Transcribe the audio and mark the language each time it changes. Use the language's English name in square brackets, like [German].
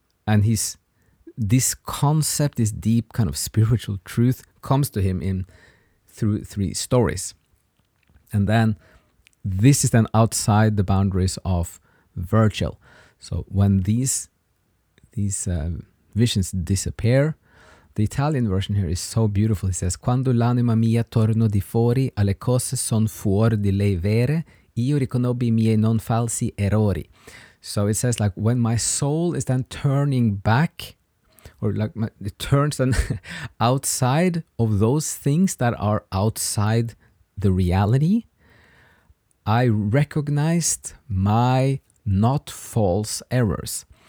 [English] And this concept, this deep kind of spiritual truth, comes to him through three stories. And then this is then outside the boundaries of Virgil. So when these visions disappear, the Italian version here is so beautiful. It says, [Italian] quando l'anima mia torno di fuori alle cose son fuor di lei vere, io riconobbi miei non falsi errori. [English] So it says, like, when my soul is then turning back, or like it turns then outside of those things that are outside the reality, I recognized my not false errors.